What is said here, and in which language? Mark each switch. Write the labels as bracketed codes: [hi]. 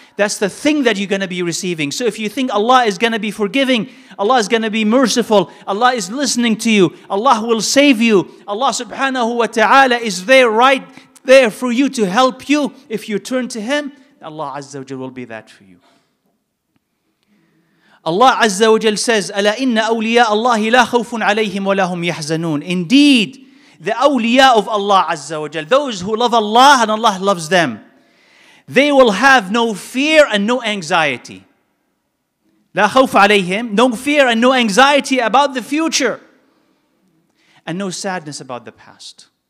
[en] That's the thing that you're going to be receiving. So if you think Allah is going to be forgiving, Allah is going to be merciful, Allah is listening to you, Allah will save you, Allah subhanahu wa ta'ala is there right there for you to help you. If you turn to Him, Allah azza wa jal will be that for you. Allah azza wa jal says, [ar] أَلَا إِنَّ أَوْلِيَاءَ اللَّهِ لَا خَوْفٌ عَلَيْهِمْ وَلَا هُمْ يَحْزَنُونَ. [en] Indeed, the awliya of Allah azza wa jal, those who love Allah and Allah loves them, they will have no fear and no anxiety. [ar] لا خوف عليهم, [en] no fear and no anxiety about the future and no sadness about the past.